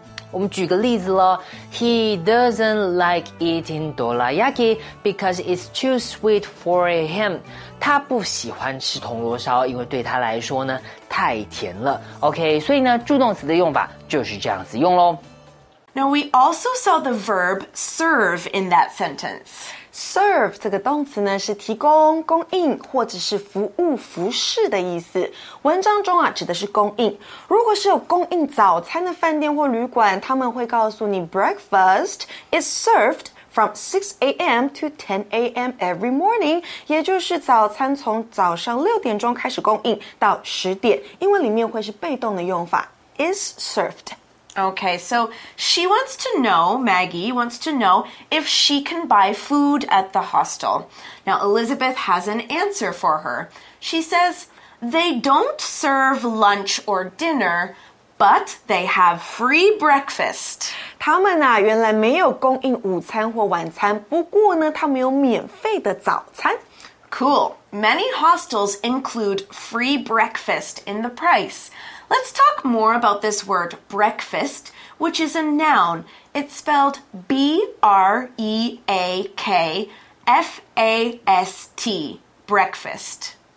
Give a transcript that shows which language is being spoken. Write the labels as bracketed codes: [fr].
[zh] 我们举个例子咯， [en] He doesn't like eating dorayaki because it's too sweet for him. [zh] 他不喜欢吃铜锣烧，因为对他来说呢太甜了， OK, 所以呢助动词的用法就是这样子用咯。 [en] Now we also saw the verb serve in that sentence. [zh] Serve 这个动词呢是提供、供应或者是服务、服侍的意思。文章中啊指的是供应。如果是有供应早餐的饭店或旅馆，他们会告诉你 [en] breakfast is served from 6 a.m. to 10 a.m. every morning, [zh] 也就是早餐从早上六点钟开始供应到十点，因为里面会是被动的用法 is served. [en] Okay, so she wants to know, Maggie wants to know if she can buy food at the hostel. Now, Elizabeth has an answer for her. She says, they don't serve lunch or dinner, but they have free breakfast. [zh] 他们啊，原来没有供应午餐或晚餐，不过呢，他们有免费的早餐。 [en] Cool. Many hostels include free breakfast in the price. Let's talk more about this word breakfast, which is a noun. It's spelled B-R-E-A-K-F-A-S-T, breakfast.